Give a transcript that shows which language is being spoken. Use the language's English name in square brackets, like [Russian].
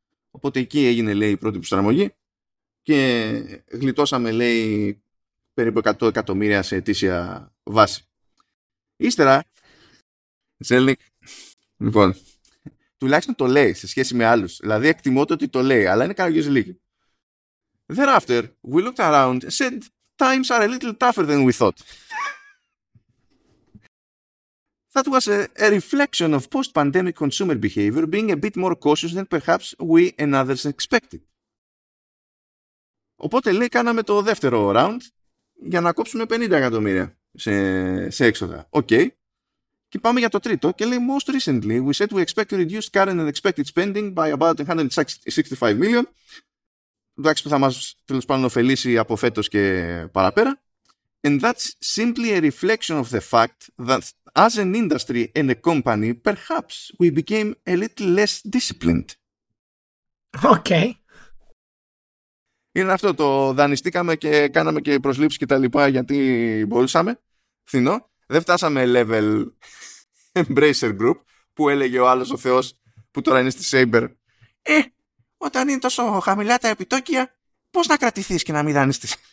[Greek] Οπότε εκεί έγινε, λέει, η πρώτη προσαρμογή και γλιτώσαμε, λέει, περίπου 100 εκατομμύρια σε ετήσια βάση. Ύστερα, Zelnick, λοιπόν, τουλάχιστον το λέει σε σχέση με άλλους. Δηλαδή, εκτιμώ το ότι το λέει, αλλά είναι καλό λίγη. [English] Thereafter, we looked around and said times are a little tougher than we thought. That was a reflection of post-pandemic consumer behavior being a bit more cautious than perhaps we and others expected. [Greek] Οπότε, λέει, κάναμε το δεύτερο round για να κόψουμε 50 εκατομμύρια σε έξοδα. Okay. Και πάμε για το τρίτο και λέει, [English] most recently we said we expect to reduce current and expected spending by about 165 million. [Greek] Εντάξει, που θα μας τέλος πάντων ωφελήσει από φέτος και παραπέρα. [English] And that's simply a reflection of the fact that as an industry and a company, perhaps we became a little less disciplined. Okay. [Greek] Είναι αυτό, το δανειστήκαμε και κάναμε και προσλήψεις και τα λοιπά γιατί μπορούσαμε. Φθηνό. Δεν φτάσαμε level Embracer Group που έλεγε ο άλλος ο Θεός που τώρα είναι στη Saber. Όταν είναι τόσο χαμηλά τα επιτόκια, πώς να κρατηθείς και να μην δανειστείς.